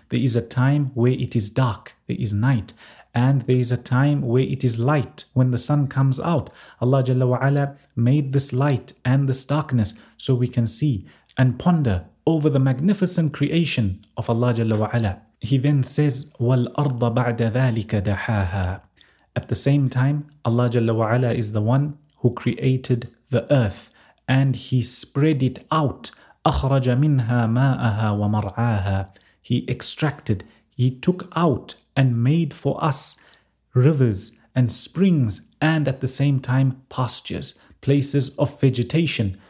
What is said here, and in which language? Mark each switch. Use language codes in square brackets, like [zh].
[en] There is a time where it is dark, there is night. And there is a time where it is light, when the sun comes out. Allah Jalla wa'ala made this light and this darkness so we can see and ponder over the magnificent creation of Allah Jalla wa'ala. He then says, [ar] وَالْأَرْضَ بَعْدَ ذَٰلِكَ دَحَاهَا. [en] At the same time, Allah Jalla wa'ala is the one who created the earth and He spread it out. [ar] أَخْرَجَ مِنْهَا مَاءَهَا وَمَرْعَاهَا. [en] He extracted, He took out and made for us rivers and springs and at the same time pastures, places of vegetation.